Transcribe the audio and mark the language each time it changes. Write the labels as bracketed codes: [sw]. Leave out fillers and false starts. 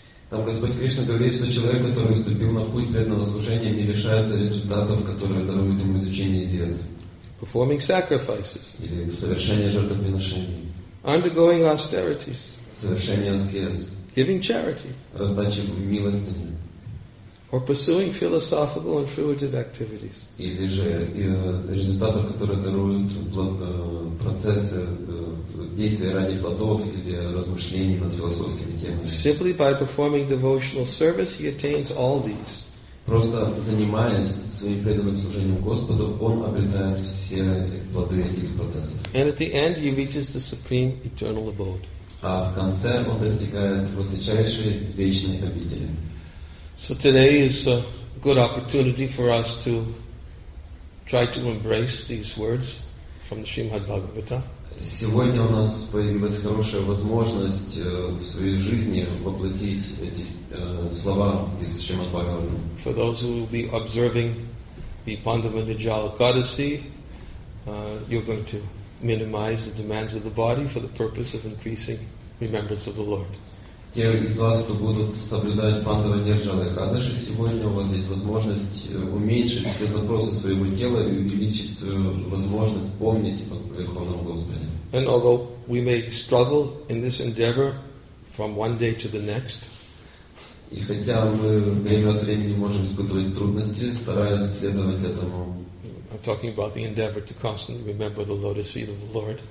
[ru] Там Господь Кришна говорит, что человек, который вступил на путь преданного служения, не лишается результатов, которые даруют ему изучение Вед. [en] Performing sacrifices. [ru] Или совершение жертвоприношений. [en] Undergoing austerities. [ru] Совершение аскез. [en] Giving charity. [ru] Раздача милостыни. [en] Or pursuing philosophical and fruitive activities. [ru] Или же результатов, которые даруют процессы действия ради плодов или размышлений над философскими темами. [en] Simply by performing devotional service, he attains all these. [ru] Просто занимаясь своим преданным служением Господу, он обретает все плоды этих процессов. [en] And at the end, he reaches the supreme eternal abode. [ru] А в конце он достигает высочайшей вечной обители. [en] So today is a good opportunity for us to try to embrace these words from the Srimad Bhagavatam. [ru] Сегодня у нас появилась хорошая возможность в своей жизни воплотить эти слова из Шримад Бхагаватам. [en] For those who will be observing the Pandava Nijala Kadasi, you're going to minimize the demands of the body for the purpose of increasing remembrance of the Lord. [ru] Те из вас, кто будут соблюдать Пандава Нирджала Экадаши, сегодня у вас здесь возможность уменьшить все запросы своего тела и увеличить свою возможность помнить о Верховном Господе. [en] And although we may struggle in this endeavor from one day to the next, [ru] и хотя мы время от времени можем испытывать трудности, стараясь следовать этому, [en] I'm talking about the endeavor to constantly remember the lotus feet of the Lord.